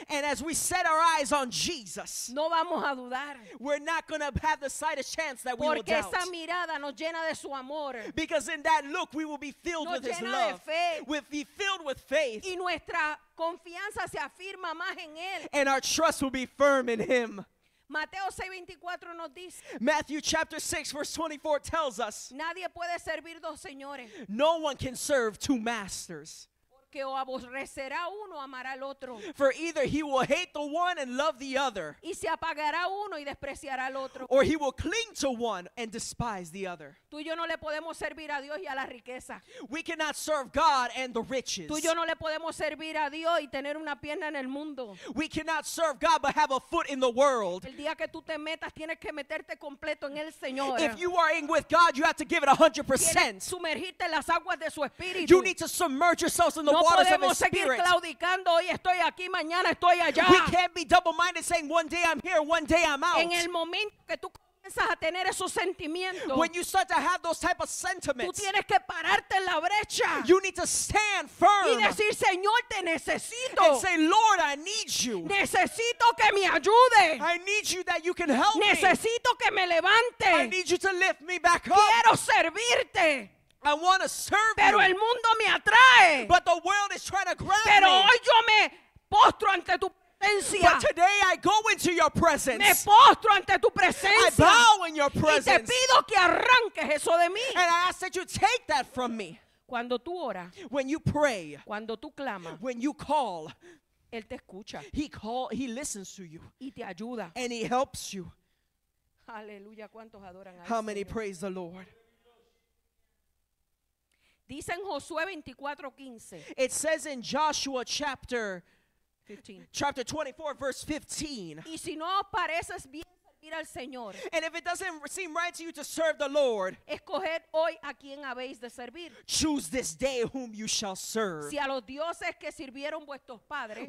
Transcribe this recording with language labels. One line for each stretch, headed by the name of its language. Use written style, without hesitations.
English: And as we set our eyes on Jesus.
Spanish: No vamos a dudar.
English: We're not going to have the slightest chance that we will.
Spanish: Porque esa mirada nos llena de su amor.
English: Because in that look we will be filled
Spanish: nos
English: with his love.
Spanish: Fe.
English: We'll be filled with faith.
Spanish: Y nuestra confianza se afirma más en él.
English: And our trust will be firm in him.
Spanish: Mateo 6:24 nos dice.
English: Matthew chapter 6 verse 24 tells us.
Spanish: Nadie puede servir dos señores.
English: No one can serve two masters.
Spanish: Que o aborrecerá uno, amará al otro.
English: For either he will hate the one and love the other.
Spanish: Y se apagará uno y despreciará al otro.
English: Or he will cling to one and despise the other.
Spanish: Tú y yo no le podemos servir a Dios y a la riqueza.
English: We cannot serve God and the riches.
Spanish: Tú y yo no le podemos servir a Dios y tener una pierna en el mundo.
English: We cannot serve God but have a foot in the world.
Spanish: El día que tú te metas, tienes que meterte completo en el Señor.
English: If you are in with God, you have to give it 100%.
Spanish: Tienes sumergirte en las aguas de su espíritu.
English: You need to submerge yourselves in the
Spanish: no podemos seguir claudicando. Hoy estoy aquí, mañana estoy allá.
English: We can't be double-minded, saying one day I'm here, one day I'm out.
Spanish: En el momento que tú comienzas a tener esos sentimientos,
English: when you start to have those type of sentiments,
Spanish: tú tienes que pararte en la brecha.
English: You need to stand firm.
Spanish: Y decir, Señor, te necesito.
English: And say, Lord, I need you.
Spanish: Necesito que me ayude.
English: I need you that you can help me.
Spanish: Necesito que me levante.
English: I need you to lift me back up.
Spanish: Quiero servirte.
English: I want to serve
Spanish: pero
English: you.
Spanish: El mundo me atrae.
English: But the world is trying to grab
Spanish: pero
English: me.
Spanish: Pero hoy yo me postro ante tu presencia.
English: But today I go into your presence.
Spanish: Me postro ante tu presencia.
English: I bow in your presence.
Spanish: Y te pido que arranques eso de mí.
English: And I ask that you take that from me.
Spanish: Cuando tú oras,
English: when you pray.
Spanish: Cuando tú clamas,
English: when you call.
Spanish: Él te escucha.
English: He listens to you.
Spanish: Y te ayuda.
English: And he helps you.
Spanish: Aleluya, ¿cuántos adoran a
English: how many praise the Lord?
Spanish: Dice en Josué 24:15.
English: It says in Joshua chapter 24, verse 15.
Spanish: Y si no pareces bien servir al Señor,
English: and if it doesn't seem right to you to serve the Lord,
Spanish: escoged hoy a quien habéis de servir.
English: Choose this day whom you shall serve.
Spanish: Si a los dioses que sirvieron vuestros padres,